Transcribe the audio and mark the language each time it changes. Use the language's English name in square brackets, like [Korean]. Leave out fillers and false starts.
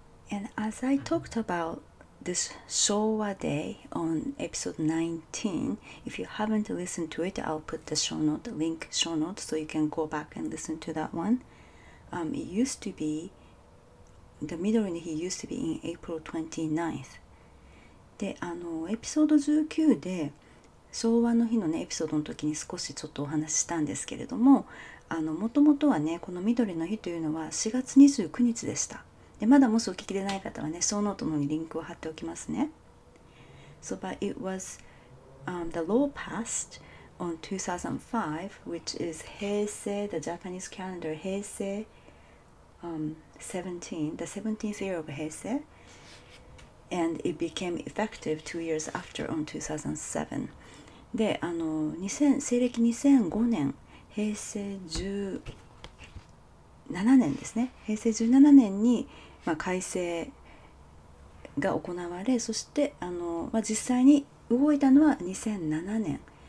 [English] And as I talked about this 昭和 day on episode 19, if you haven't listened to it, I'll put the show note, link show note, so you can go back and listen to that one. The 緑の日 used to be in April 29th. [Japanese] で、エピソード19で昭和の日のね、エピソードの時に少しちょっとお話ししたんですけれども、もともとはね、この緑の日というのは4月29日でした。で、まだもしお聞きでない方はね、ショーノートの方にリンクを貼っておきますね。 [English] So but it was the law passed on 2005 which is 平成 the Japanese calendar 平成 the 17th year of 平成And it became effective 2 years after on 2007. [Japanese] で、西暦2005年、平成17年ですね。平成17年に、まあ、改正が行われ、そして実際に動いたのは2007年。